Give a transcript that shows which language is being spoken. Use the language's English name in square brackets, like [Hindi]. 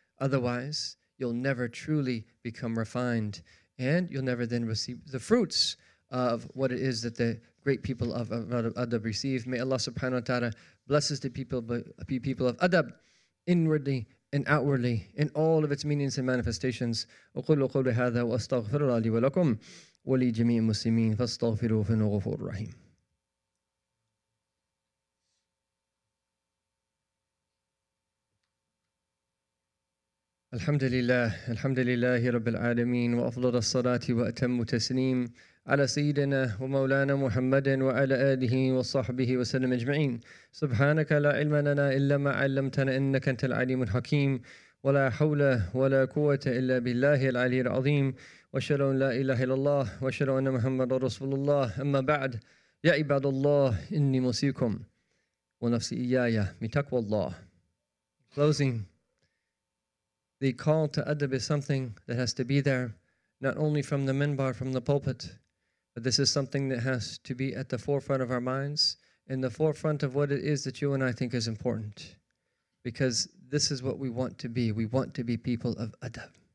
[English] Otherwise, you'll never truly become refined. And you'll never then receive the fruits of what it is that the great people of adab receive. May Allah subhanahu wa ta'ala bless us to people of adab inwardly and outwardly in all of its meanings and manifestations. [Arabic] أقول قول هذا وأستغفر الله لي ولكم ولي جميع المسلمين فاستغفروا فإنه غفور رحيم. الحمد لله الحمد لله رب العالمين وأفضل الصلاة وأتم التسليم على سيدنا ومولانا محمد وعلى آله وصحبه وسلم أجمعين. سبحانك لا علم لنا إلا ما علمتنا إنك أنت العليم الحكيم. ولا حول ولا قوة إلا بالله العلي العظيم. وأشهد أن لا إله إلا الله وأشهد أن محمد رسول الله. أما بعد، يا عباد الله إني موصيكم ونفسي إياي بتقوى الله. [English] Closing. The call to adab is something that has to be there, not only from the minbar, from the pulpit, but this is something that has to be at the forefront of our minds, in the forefront of what it is that you and I think is important. Because this is what we want to be. We want to be people of adab.